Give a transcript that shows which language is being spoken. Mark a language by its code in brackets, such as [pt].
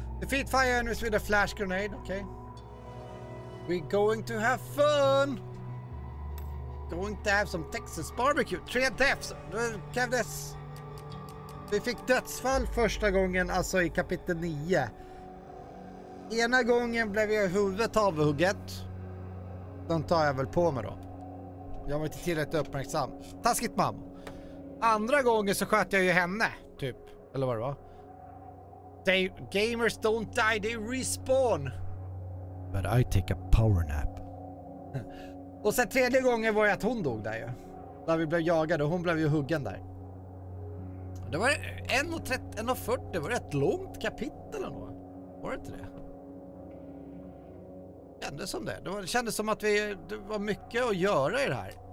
[en] Defeat fire enemies with a flash grenade. Okay. We're going to have fun. going to have some Texas barbecue. Three deaths. Kevdes. [sv] Vi fick dödsfall första gången, alltså i kapitel 9. Ena gången blev jag huvudet avhugget. Den tar jag väl på mig då. Jag var inte tillräckligt uppmärksam. Taskigt mamma. Andra gången så sköt jag ju henne, typ. Eller vad det var. [en] They, gamers don't die, they respawn. But I take a power nap. [sv] Och sen tredje gången var det att hon dog där ju. Där vi blev jagade och hon blev ju huggen där. Det var 1:30, 1:40, det var ett långt kapitel ändå. Var det inte det? Kändes som det. Det kändes som att det var mycket att göra i det här.